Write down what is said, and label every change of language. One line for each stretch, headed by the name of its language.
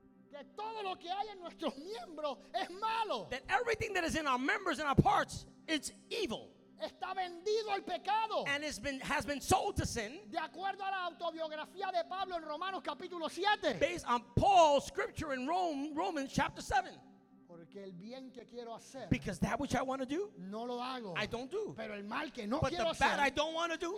Spanish: Que todo lo que hay en nuestros miembros es malo.
English: That everything that is in our members and our parts, it's evil.
Spanish: Está vendido al pecado.
English: And has been sold to sin.
Spanish: De acuerdo a la autobiografía de Pablo en Romanos capítulo 7.
English: Based on Paul's scripture in Romans chapter 7.
Spanish: Que el bien que quiero hacer,
English: because that which I want to do,
Spanish: no lo hago.
English: I don't do.
Spanish: Pero el mal que no
English: but
Spanish: quiero
English: the bad
Spanish: hacer,
English: I don't want to do,